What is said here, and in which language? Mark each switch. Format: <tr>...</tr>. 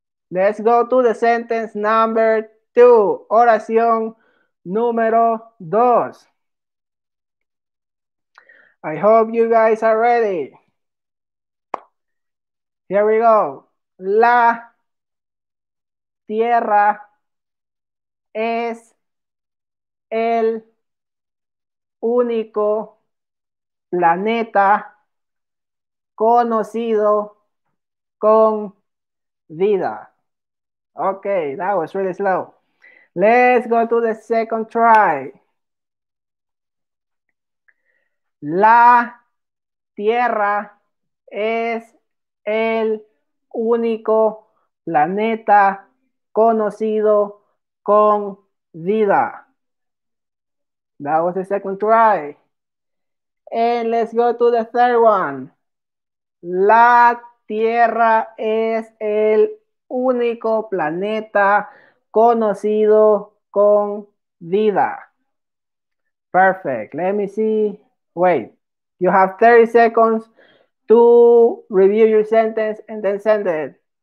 <en>Let's go to the sentence number two. Oración.</en> <es>Número dos.</es> <en>I hope you guys are ready. Here we go.</en> <es>La tierra es el único planeta conocido con vida.</es> <en>Okay, that was really slow. Let's go to the second try.</en> <es>La Tierra es el único planeta conocido con vida.</es> <en>That was the second try. And let's go to the third one.</en> <es>La Tierra es el único planeta conocido con vida.</es> <en>Perfect. Let me see. Wait. You have 30 seconds to review your sentence and then send it.</en>